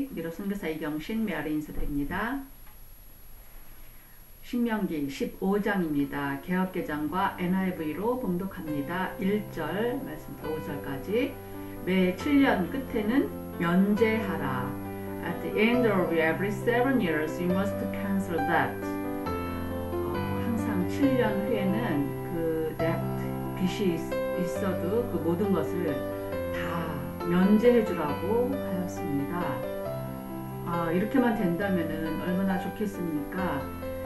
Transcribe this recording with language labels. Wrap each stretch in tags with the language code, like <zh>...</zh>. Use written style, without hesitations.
<ko>선교사 이경신 메아리 인사드립니다. 신명기 15장입니다. 개혁개정과 NIV로 봉독합니다. 1절 말씀 5절까지 매 7년 끝에는 면제하라.</ko> <en>At the end of every 7 years you must cancel that.</en> <ko>항상 7년 후에는 그 debt, 빚이 있어도 그 모든 것을 다 면제해 주라고 하였습니다. 이렇게만 된다면은 얼마나 좋겠습니까?</ko>